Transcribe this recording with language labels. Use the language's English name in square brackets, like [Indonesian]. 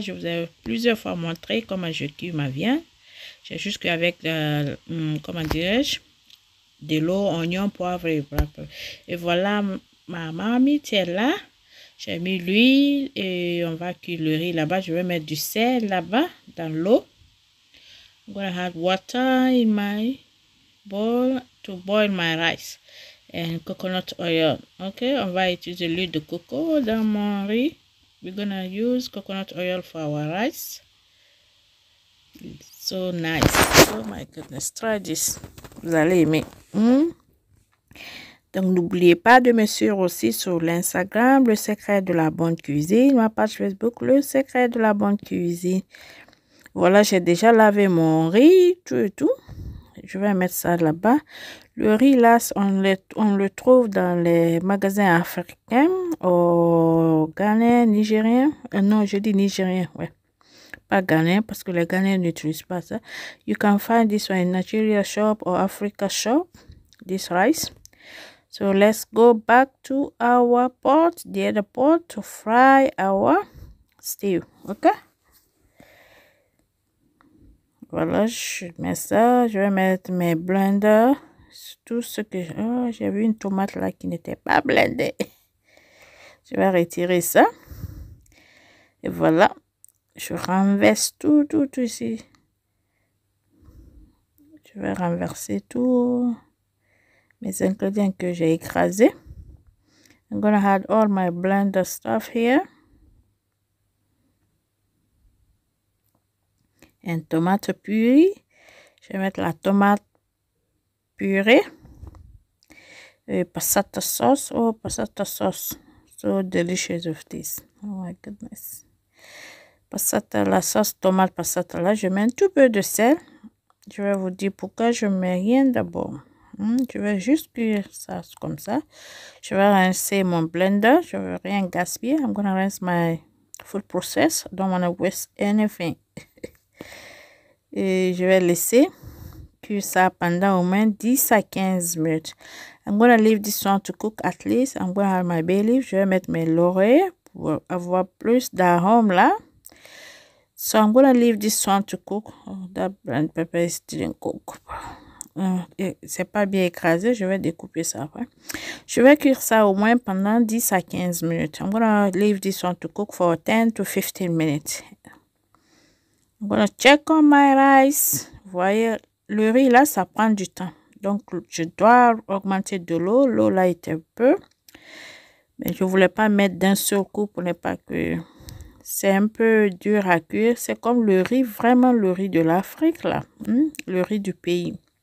[French] Je vous ai plusieurs fois montré comment je cuis ma viande. J'ai juste cuit avec, comment dirais-je, de l'eau, oignon, poivre et bref. Et voilà, ma marmite est là. J'ai mis l'huile et on va cuire le riz là-bas. Je vais mettre du sel là-bas dans l'eau. [English] I'm going to add water in my bowl to boil my rice and coconut oil. [French] Ok, on va utiliser l'huile de coco dans mon riz. [English] We're going to use coconut oil for our rice. It's so nice. Oh my goodness, try this. [French] Vous allez aimer. Donc, n'oubliez pas de me suivre aussi sur l'Instagram, le secret de la bonne cuisine, ma page Facebook, le secret de la bonne cuisine. Voilà, j'ai déjà lavé mon riz, tout et tout. Je vais mettre ça là-bas. Le riz, là, on le trouve dans les magasins africains, au Ghana, nigérien. Non, je dis nigérien, ouais. pas Ghanéen, parce que les Ghanéens n'utilisent pas ça. [English] You can find this one in Nigeria shop or Africa shop, this rice. So let's go back to our pot, the other pot, to fry our stew, okay? [French] Voilà, je mets ça, je vais mettre mes blenders, tout ce que j'ai. Oh, j'ai vu une tomate là qui n'était pas blendée. Je vais retirer ça. Et voilà, je renverse tout, tout, tout ici. Je vais renverser tout mes ingrédients que j'ai écrasés. [English] I'm gonna add all my blender stuff here. [French] Une tomate purée. Je vais mettre la tomate purée. [English] Et passata sauce. Oh, passata sauce. So delicious of this. Oh my goodness. [French] Passata, la sauce tomate passata là. Je mets un tout peu de sel. Je vais vous dire pourquoi je ne mets rien d'abord. Je vais juste cuire ça comme ça. Je vais rincer mon blender. Je ne veux rien gaspiller. [English] I'm going to rinse my food process. I don't want to waste anything. [French] Et je vais laisser cuire ça pendant au moins 10 à 15 minutes. [English] I'm going to leave this one to cook at least. I'm going to have my bay leaf. [French] Je vais mettre mes laurier pour avoir plus d'arôme là. [English] So I'm going to leave this one to cook. Oh, that brand pepper is didn't cook. [French] C'est pas bien écrasé. Je vais découper ça après. Je vais cuire ça au moins pendant 10 à 15 minutes. [English] I'm going to leave this one to cook for 10 to 15 minutes. I'm going to check on my rice. [French] Vous voyez, le riz là, ça prend du temps. Donc, je dois augmenter de l'eau. L'eau là était un peu. Mais je ne voulais pas mettre d'un seul coup pour ne pas cuire. C'est un peu dur à cuire. C'est comme le riz, vraiment le riz de l'Afrique là. Le riz du pays.